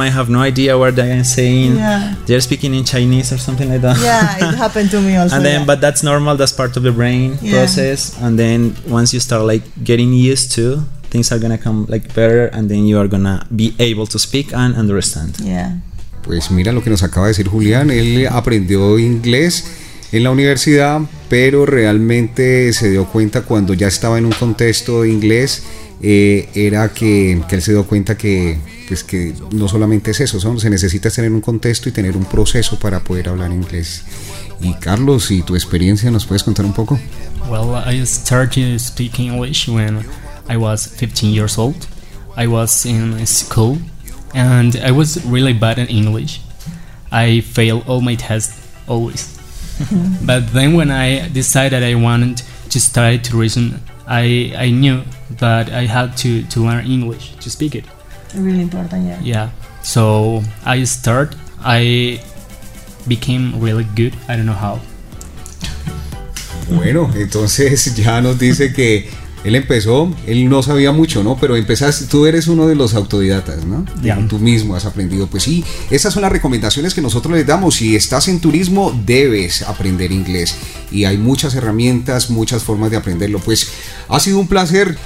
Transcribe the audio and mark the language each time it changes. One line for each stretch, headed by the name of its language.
English: I have no idea what they are saying. Yeah. They're speaking in Chinese or something like that. Yeah, it happened to me also. And then, but that's normal. That's part of the brain process. And then once you start like getting used to, things are going to come like better. And then you are going to be able to speak and understand. Yeah.
Spanish: Pues mira lo que nos acaba de decir Julián, él aprendió inglés en la universidad, pero realmente se dio cuenta cuando ya estaba en un contexto de inglés, era que él se dio cuenta que, pues que no solamente es eso, se necesita tener un contexto y tener un proceso para poder hablar inglés. Y Carlos, ¿y tu experiencia nos puedes contar un poco?
English: Well, I started speaking English when I was 15 years old. I was in school. And I was really bad at English. I failed all my tests, always. But then when I decided I wanted to study tourism, I knew that I had to learn English, to speak it. Really important, yeah. Yeah. So I started, I became really good, I don't know how.
Spanish: Bueno, entonces ya nos dice que él empezó, él no sabía mucho, ¿no? Pero empezaste, tú eres uno de los autodidactas, ¿no?
English: Yeah.
Spanish: Tú mismo has aprendido. Pues sí, esas son las recomendaciones que nosotros les damos. Si estás en turismo, debes aprender inglés. Y hay muchas herramientas, muchas formas de aprenderlo. Pues ha sido un placer.